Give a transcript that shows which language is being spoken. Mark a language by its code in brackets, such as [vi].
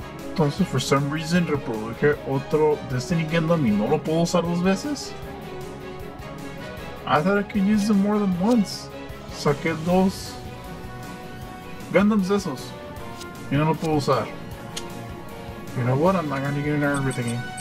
[es] Entonces, [en] for some reason, [es] reproduje otro Destiny Gundam y no lo puedo usar dos veces. [en] I thought I could use them more than once. [es] Saqué dos Gundams esos y no lo puedo usar. [en] You know what? I'm not gonna get into everything.